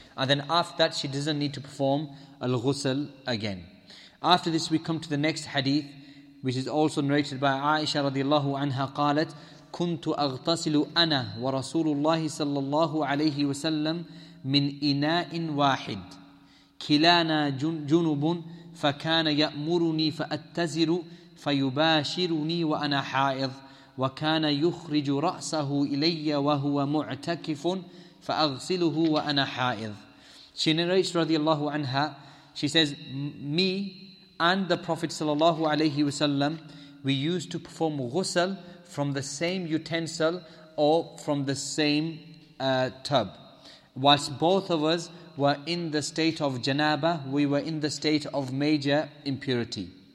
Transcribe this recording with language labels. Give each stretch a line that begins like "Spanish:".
English: And then after that, she doesn't need to perform al-ghusl again. After this, we come to the next hadith, which is also narrated by Aisha radiallahu anha, qalat, kuntu aghtasilu ana wa rasulullahi sallallahu alayhi wasallam min ina'in wahid.
Arabic: Kilana junubun, فكان يأمرني فأتزر فيباشرني وأنا حائض وكان يخرج رأسه إلي وهو معتكف فأغسله وأنا حائض.
English: She narrates radiallahu anha, she says, me and the Prophet sallallahu alayhi wasallam, we used to perform ghusl from the same utensil or from the same tub. Whilst both of us were in the state of janaba, we were in the state of major impurity.